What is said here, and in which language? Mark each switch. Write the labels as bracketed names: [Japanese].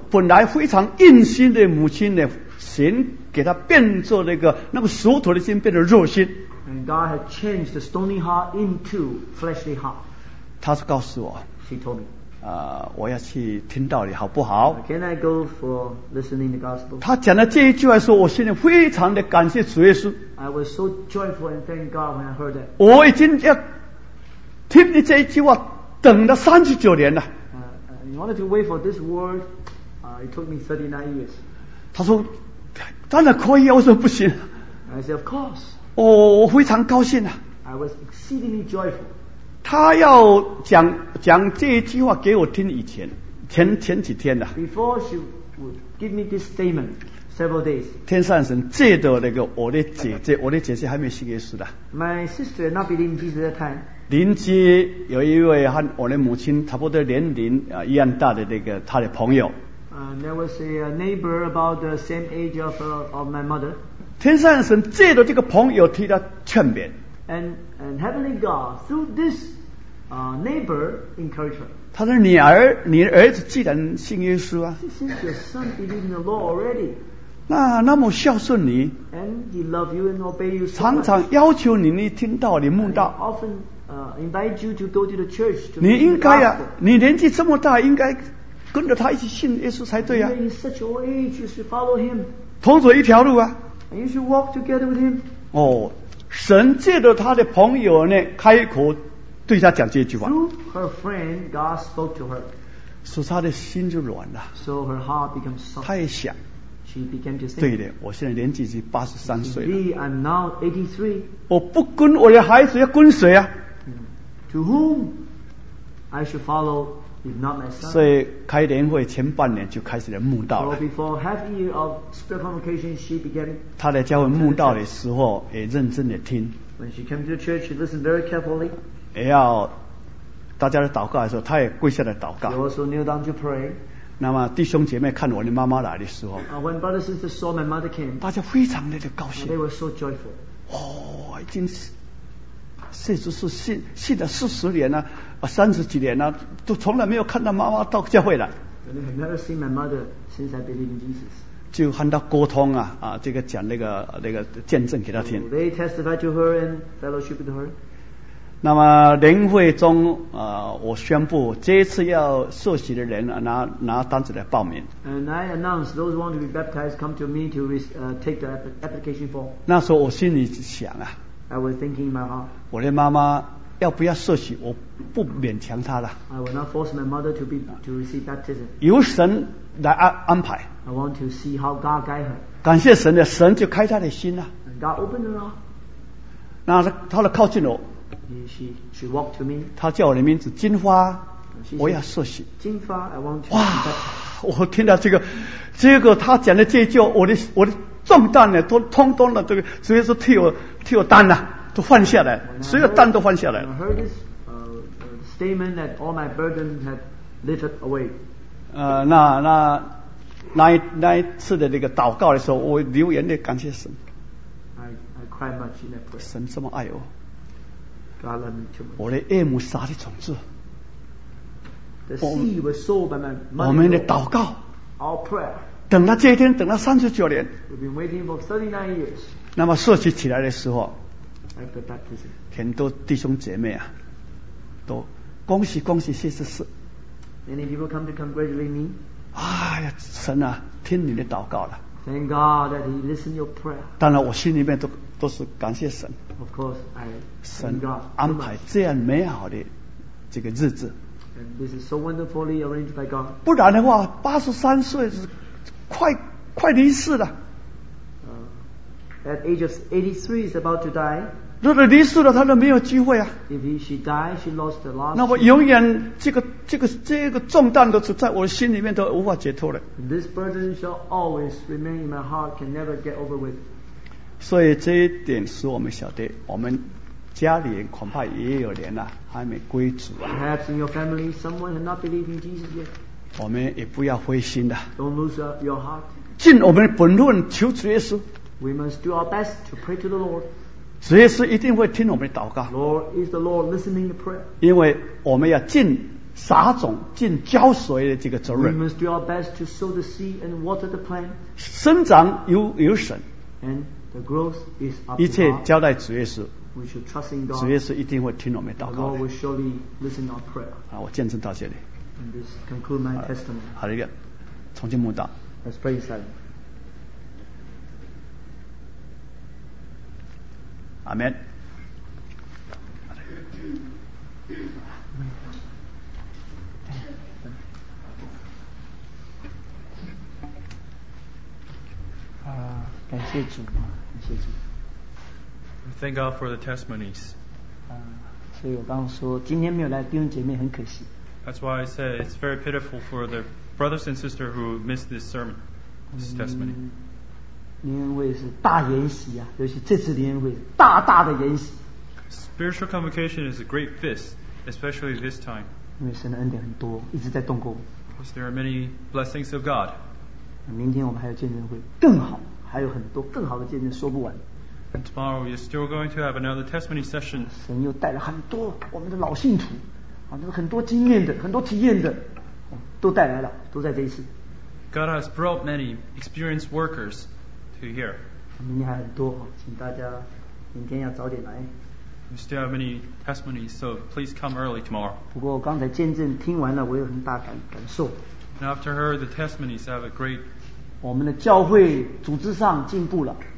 [Chinese] 本来非常殷心的母亲的心，给她变作那个属土的心，变成肉心。 [English] And God had changed the stony heart into fleshly heart. [Chinese] 她是告诉我。 [English] She told me. [Chinese] 我要去听道理，好不好 [English] ？Can I go for listening the gospel? [Chinese] 她讲的这一句话说，我心里非常的感谢主耶稣。 [English] I was so joyful and thank God when I heard that. [Chinese] 我已经要听你这一句话，等了39年了。 [English] I wanted to wait for this word. It took me 39 years. [Chinese] 他说，当然可以，我说不行。 [English] I said, of course. [Chinese] 我非常高兴啊。 [English] I was exceedingly joyful. [Chinese] 他要讲这句话给我听以前，前几天的。 [English] Before she would give me this statement, several days. [Chinese] 天上神借着那个我的姐姐，我的姐姐还没信耶稣的。 [English] My sister not believing Jesus at that time. [Chinese] 邻居有一位和我的母亲差不多年龄一样大的那个他的朋友。 [English] There was a neighbor about the same age of my mother. [Chinese] 天上神借着这个朋友替他劝勉。 [English] And heavenly God through this neighbor encouraged her. [Chinese] 他说你儿子既然信耶稣啊。 [English] Since your son believed in the Lord already. [Chinese] 那么孝顺你。 [English] And he loved you and obeyed you so much. [Chinese] 常常要求你听道理慕道。 [English] Often,invite you to go to the church to [Chinese] 你应该啊，你年纪这么大，应该跟着他一起信耶稣才对啊。 [English] In such old age, you should follow him. [Chinese] 同走一条路啊。 [English] And you should walk together with him. [Chinese] 哦，神借着他的朋友呢，开口对他讲这句话。 [English] Through her friend, God spoke to her. [Chinese] 使他的心就软了。 [English] So her heart becomes soft. [Chinese] 他也想。 [English] She began to think, [Chinese] 对的，我现在年纪已经83岁了。 [English] Indeed, I'm now 83. [Chinese] 我不跟我的孩子要跟谁啊？ [English] To whom I should follow, if not my son. [Chinese] 所以开联会前半年就开始了慕道了。 [English] So before half year of spirit convocation, she began. [Chinese] 她在教会慕道的时候也认真的听。 [English] When she came to the church, she listened very carefully. [Chinese] 也要大家的祷告的时候，她也跪下来祷告。 [English] She also kneeled down to pray. [Chinese] 那么弟兄姐妹看我的妈妈来的时候 [English] ，When brothers and sisters saw my mother came, [Chinese] 大家非常的高兴。 [English] They were so joyful. [Chinese] 哦，已经是甚至是信了四十年了、啊、三十几年了、啊、都从来没有看到妈妈到教会来。 [English] I've never seen my mother since I believe in Jesus. [Chinese] 就和她沟通啊啊，这个讲那个见证给她听。 [English] They testify to her and fellowship with her. [Chinese] 那么灵会中我宣布这一次要受洗的人、啊、拿单子来报名。 [English] And I announce those who want to be baptized come to me to take the application form. [Chinese] 那时候我心里想啊， [English] I was thinking in my heart, [Chinese] 我的妈妈要不要受洗，我不勉强她了。 [English] I will not force my mother to receive baptism. [Chinese] 由神来安排。 [English] I want to see how God guide her. [Chinese] 感谢神的，神就开她的心了。 [English] And God opened her up. [Chinese] 那她靠近我， [English] she walked to me. [Chinese] 她叫我的名字金花，我要受洗。 [English] 金花， I want to be baptized. [Chinese] 我听到这个她讲的这一句，我的重担呢，都通通的这个，所以说替我担呐、啊，都放下来，所有担都放下来了。 [English] I heard this statement that all my burden had lifted away. [Chinese] 那一次的那个祷告的时候，我流眼泪感谢神。 [English] I cried much in that prayer. [Chinese] 神这么爱我。 [English] God loved me too much. [Chinese] 我的爱慕撒的种子。 [English] The seed was sown by my mother. [Chinese] 我们的祷告。 [English] Our prayer. [Chinese] 等到这一天，等到三十九年。 [English] We've been waiting for 39 years. [Chinese] 那么受洗起来的时候， [English] After baptism, [Chinese] 很多弟兄姐妹啊，都恭喜恭喜，谢谢神。 [English] Many people come to congratulate me. [Chinese] 哎呀，神啊，听你的祷告了。 [English] Thank God that He listened your prayer. [Chinese] 当然，我心里面都是感谢神。 [English] Of course, I thank God. [Chinese] 神安排这样美好的这个日子。 [English] And this is so wonderfully arranged by God. [Chinese] 不然的话，83岁是。快离世了。 [English] At age of 83, is about to die. [Chinese] 如果离世了，他就没有机会啊。 [English] If she died, she lost the last. [Chinese] 那么永远这个重担都是在我心里面都无法解脱的。 [English] This burden shall always remain in my heart, can never get over with. [Chinese] 所以这一点使我们晓得，我们家里人恐怕也有人呐、啊、还没归主啊。 [English] Perhaps in your family, someone has not believed in Jesus yet. [Chinese] 我们也不要灰心的。 [English] Don't lose your heart. [Chinese] 尽我们的本分，求主耶稣。 [English] We must do our best to pray to the Lord. [Chinese] 主耶稣一定会听我们的祷告。 [English] Lord is the Lord listening to prayer. [Chinese] 因为我们要尽撒种、尽浇水的这个责任。 [English] We must do our best to sow the seed and water the plant. [Chinese] 生长由神。 [English] And the growth is up to God. [Chinese] 一切交代主耶稣。 [English] We should trust in God. [Chinese] 主耶稣一定会听我们的祷告。 [English] The Lord will surely listen to our prayer. [Chinese] 好，我见证到这里。 [English] And this concludes my testimony. [Chinese] 好的，从今慕道。 [English] Let's pray in silence. Amen. [Chinese] 感谢主，感谢主。 [English] Thank God for the testimonies. [Chinese] 所以我刚刚说，今天没有来弟兄姐妹很可惜。 [English] That's why I say it's very pitiful for the brothers and sisters who missed this sermon, this testimony. [Chinese] 联恩会是大筵席啊，尤其这次联恩会是大大的筵席。 [English] Spiritual convocation is a great feast, especially this time. [Chinese] 因为神的恩典很多，一直在动工。 [English] Because there are many blessings of God. [Chinese] 明天我们还有见证会，更好，还有很多更好的见证说不完。 [English] And tomorrow we're still going to have another testimony session. [Chinese] 神又带了很多我们的老信徒。很多经验的，很多体验的，都带来了，都在这一次。 [English] God has brought many experienced workers to here. [Chinese] 明天还很多，请大家明天要早点来。 [English] We still have many testimonies, so please come early tomorrow. [Chinese] 不过刚才见证听完了，我有很大感受。 [English] And after heard the testimonies, I have a great. [Chinese] 我们的教会组织上进步了。